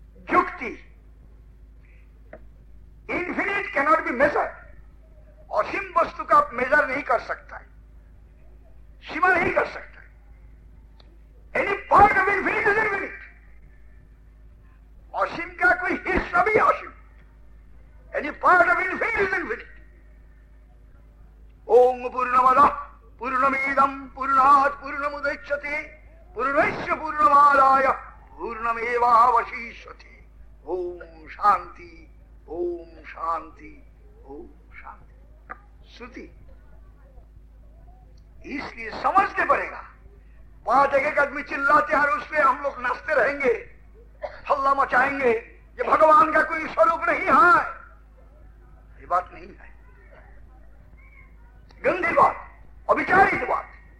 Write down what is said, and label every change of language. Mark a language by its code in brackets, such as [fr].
[hi] युक्ति [en] infinite can not be measure, [hi] असीम वस्तु का मेजर नहीं कर सकता है, सीमा नहीं कर सकता है, [en] any part of infinite is infinite, [hi] असीम का कोई हिस्सा भी असीम, any part of infinite is infinite. [sa] ओम पूर्णमदः पूर्णमिदं पूर्णात् पूर्णमुदच्यते पूर्णस्य पूर्णमादाय पूर्णमेवावशिष्यते। ओम शांति ओम शांति ओम शांति। [hi] श्रुति इसलिए समझने पड़ेगा, बात एक एक आदमी चिल्लाते हैं उस पर हम लोग नाचते रहेंगे, हल्ला मचाएंगे, ये भगवान का कोई स्वरूप नहीं है, ये बात नहीं है, गंदी बात, अविचारित बात।